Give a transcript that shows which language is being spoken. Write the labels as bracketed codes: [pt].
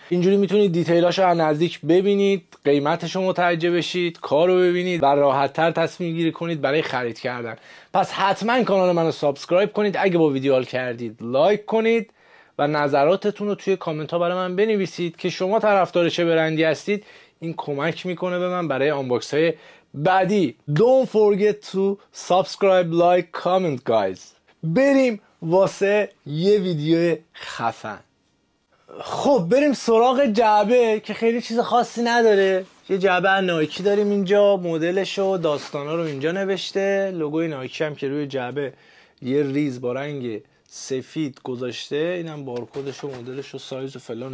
[fa] اینجوری میتونید دیتیلاش رو از نزدیک ببینید، قیمتش رو متوجه بشید، کار رو ببینید و راحت تر تصمیم گیری کنید برای خرید کردن. پس حتما کانال من رو سابسکرایب کنید، اگه با ویدیو حال کردید لایک کنید و نظراتتون رو توی کامنت ها برای من بنویسید که شما طرفدار چه برندی هستید. این کمک میکنه به من برای آنباکس های بعدی. [en] Don't forget to subscribe, like, comment, guys. [fa] بریم واسه یه ویدیو خفن. خب بریم سراغ جعبه که خیلی چیز خاصی نداره. یه جعبه نایکی داریم اینجا، مدلش و داستانا رو اینجا نوشته، لوگوی نایکی هم که روی جعبه یه ریز با رنگ سفید گذاشته، اینم بارکدش و مدلش و سایز و فلان.